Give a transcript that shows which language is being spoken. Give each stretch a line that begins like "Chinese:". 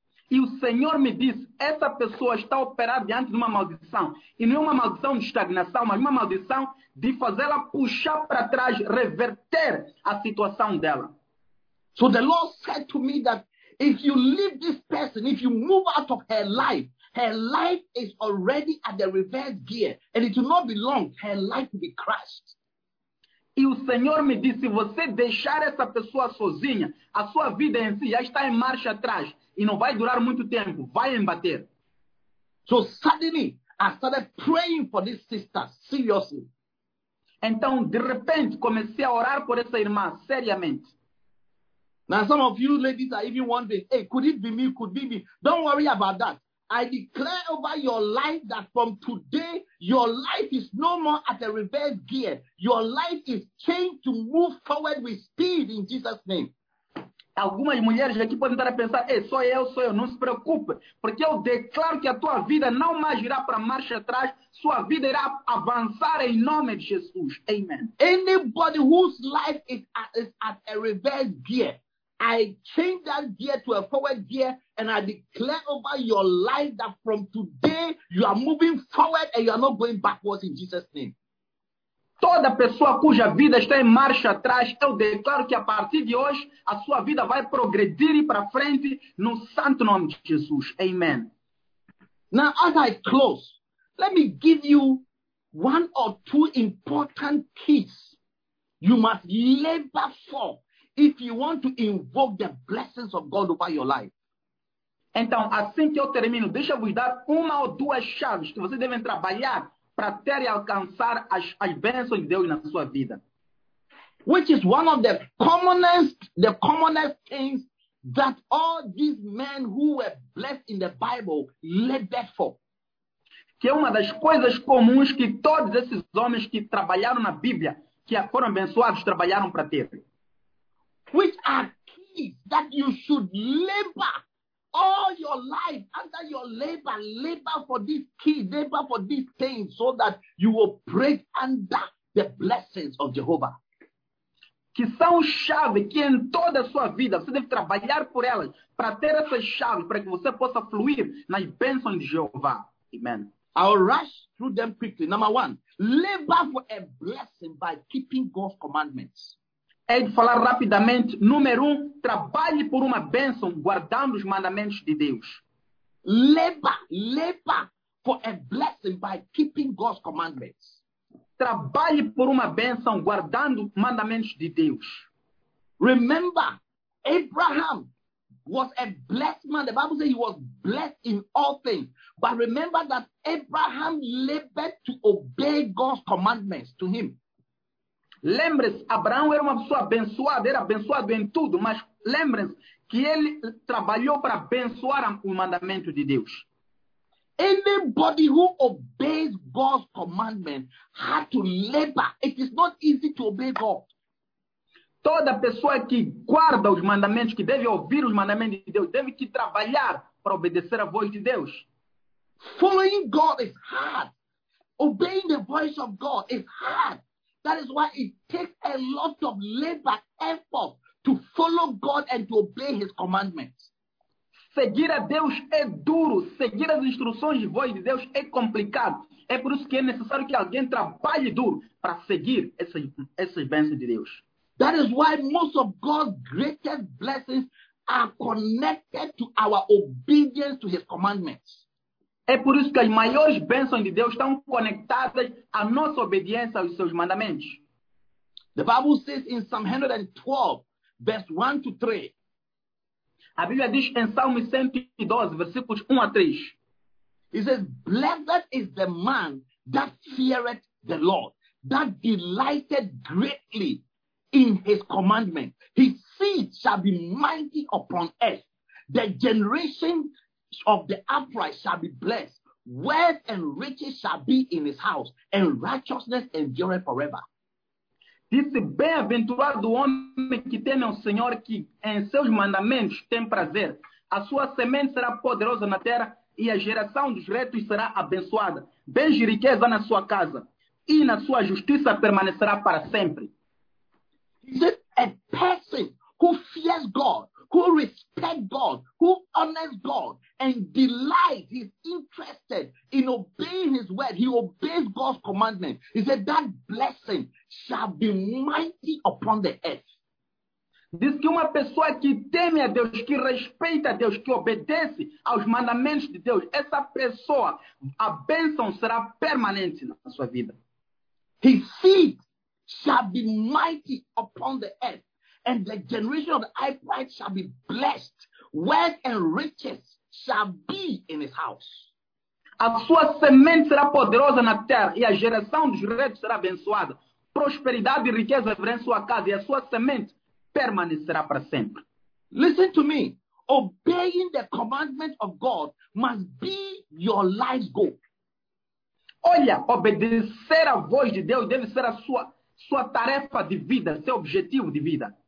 Portuguese: E o Senhor me disse, essa pessoa está operada diante de uma maldição. E não é uma maldição de estagnação, mas uma maldição de fazê-la puxar para trás, reverter a situação dela.
English: So the Lord said to me that if you leave this person, if you move out of her life is already at the reverse gear. And it will not be long, her life will be crushed.
Portuguese: E o Senhor me disse, se você deixar essa pessoa sozinha, a sua vida em si já está em marcha atrás. E não vai durar muito tempo, vai embater.
English: So suddenly, I started praying for this sister, seriously.
Portuguese: Então, de repente, comecei a orar por essa irmã, seriamente.
English: Now some of you ladies are even wondering, hey, could it be me, could it be me? Don't worry about that. I declare over your life that from today, your life is no more at the reverse gear. Your life is changed to move forward with speed in Jesus' name.
Portuguese: Algumas mulheres aqui podem estar a pensar, ei, sou eu, não se preocupe, porque eu declaro que a tua vida não mais irá para marcha atrás, sua vida irá avançar em nome de Jesus.
English: Amen. Anybody whose life is at a reverse gear, I change that gear to a forward gear, and I declare over your life that from today, you are moving forward and you are not going backwards in Jesus' name.
Portuguese: Toda pessoa cuja vida está em marcha atrás, eu declaro que a partir de hoje, a sua vida vai progredir e para frente no santo nome de Jesus.
English: Amen. Now, as I close, let me give you one or two important keys you must labor for if you want to invoke the blessings of God over your life.
Portuguese: Então, assim que eu termino, deixa eu vos dar uma ou duas chaves que vocês devem trabalhar para ter e alcançar as bênçãos de Deus na sua vida.
English: Which is one of the commonest things that all these men who were blessed in the Bible labored for.
Portuguese: Que é uma das coisas comuns que todos esses homens que trabalharam na Bíblia, que foram abençoados, trabalharam para ter.
English: Which are keys that you should labor all your life, under your labor, labor for this key, labor for this thing, so that you will break under the blessings of Jehovah.
Portuguese: Que são chaves que em toda a sua vida, você deve trabalhar por elas, para ter essas chaves, para que você possa fluir nas bênçãos de Jeová.
English: Amen. I'll rush through them quickly. Number one, labor for a blessing by keeping God's commandments.
Portuguese: É de falar rapidamente, número um, trabalhe por uma bênção, guardando os mandamentos de Deus.
English: Labor for a blessing by keeping God's commandments.
Portuguese: Trabalhe por uma bênção, guardando mandamentos de Deus.
English: Remember, Abraham was a blessed man. The Bible says he was blessed in all things. But remember that Abraham labored to obey God's commandments to him.
Portuguese: Lembre-se, Abraão era uma pessoa abençoada, era abençoado em tudo, mas lembre-se que ele trabalhou para abençoar o mandamento de Deus.
English: Anybody who obeys God's commandment had to labor. It is not easy to obey God.
Portuguese: Toda pessoa que guarda os mandamentos, que deve ouvir os mandamentos de Deus, deve que trabalhar para obedecer a voz de Deus.
English: Following God is hard. Obeying the voice of God is hard. That is why it takes a lot of labor, effort, to follow God and to obey his commandments.
Portuguese: Seguir a Deus é duro. Seguir as instruções de voz de Deus é complicado. É por isso que é necessário que alguém trabalhe duro para seguir essas bênçãos de Deus.
English: That is why most of God's greatest blessings are connected to our obedience to his commandments.
Portuguese: É por isso que as maiores bênçãos de Deus estão conectadas à nossa obediência aos seus mandamentos.
English: The Bible says in Psalm 112, verse 1 to 3.
Portuguese: A Bíblia diz em Salmo 112, versículos 1 a 3.
English: It says, blessed is the man that feareth the Lord, that delighteth greatly in his commandment. His seed shall be mighty upon earth. The generation of the upright shall be blessed. Wealth and riches shall be in his house, and righteousness endureth forever.
Portuguese: Disse, bem-aventurado o homem que teme ao Senhor, que em seus mandamentos tem prazer. A sua semente será poderosa na terra, e a geração dos retos será abençoada. Bens e riqueza na sua casa, e na sua justiça permanecerá para sempre.
English: Is it a person who fears God, who respects God, who honors God, and delights, he's interested in obeying his word, he obeys God's commandment. He said that blessing shall be mighty upon the earth.
Portuguese: Diz que uma pessoa que teme a Deus, que respeita a Deus, que obedece aos mandamentos de Deus, essa pessoa, a bênção será permanente na sua vida.
English: His seed shall be mighty upon the earth, and the generation of the upright shall be blessed. Wealth and riches shall be in his house.
Portuguese: A sua semente será poderosa na terra, e a geração dos retos será abençoada. Prosperidade e riqueza haverá em sua casa, e a sua semente permanecerá para sempre.
English: Listen to me. Obeying the commandment of God must be your life goal.
Portuguese: Olha, obedecer a voz de Deus deve ser a sua tarefa de vida, seu objetivo de vida.